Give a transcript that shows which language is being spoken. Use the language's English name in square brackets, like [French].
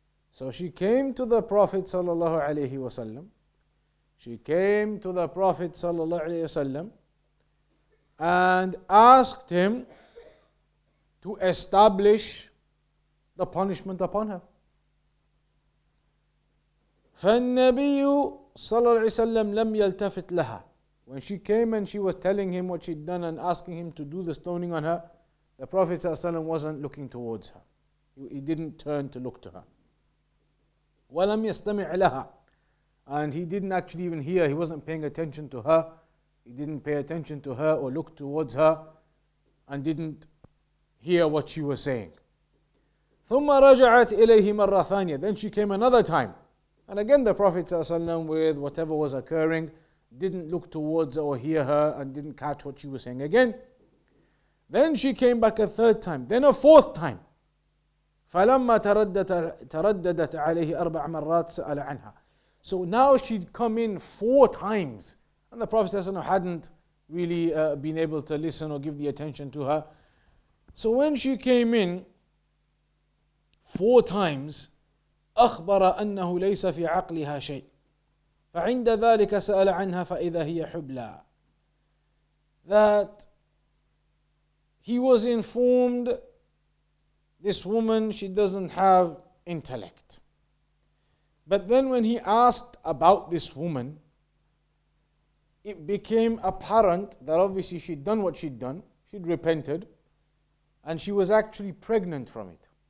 [English] So she came to the Prophet sallallahu alayhi wa sallam. She came to the Prophet sallallahu alayhi wa sallam and asked him to establish the punishment upon her. [Arabic] فالنبي صلى الله عليه وسلم لم يلتفت لها. [English] When she came and she was telling him what she'd done and asking him to do the stoning on her, the Prophet ﷺ wasn't looking towards her. He didn't turn to look to her. [Arabic] وَلَمْ يَسْتَمِعْ لَهَا. [English] And he didn't actually even hear. He wasn't paying attention to her. He didn't pay attention to her or look towards her and didn't hear what she was saying. [Arabic] ثُمَّ رَجَعَتْ إِلَيْهِ مَرَّ ثَانِيَةً. [English] Then she came another time. And again the Prophet ﷺ, with whatever was occurring, didn't look towards her or hear her and didn't catch what she was saying again. Then she came back a third time, then a fourth time. [Arabic] فَلَمَّا تَرَدَّدَتْ عَلَيْهِ أَرْبَعْ مَرَّاتِ سَأَلَ عَنْهَا. [English] So now she'd come in four times and the Prophet ﷺ hadn't really been able to listen or give the attention to her. So when she came in four times, [Arabic] أَخْبَرَ أَنَّهُ لَيْسَ فِي عَقْلِهَا شَيْءٍ فَعِنْدَ ذَٰلِكَ سَأَلَ عَنْهَا فَإِذَا هِيَ حُبْلًا. [English] That he was informed, this woman, she doesn't have intellect. But then when he asked about this woman, it became apparent that obviously she'd done what she'd done, she'd repented, and she was actually pregnant from it.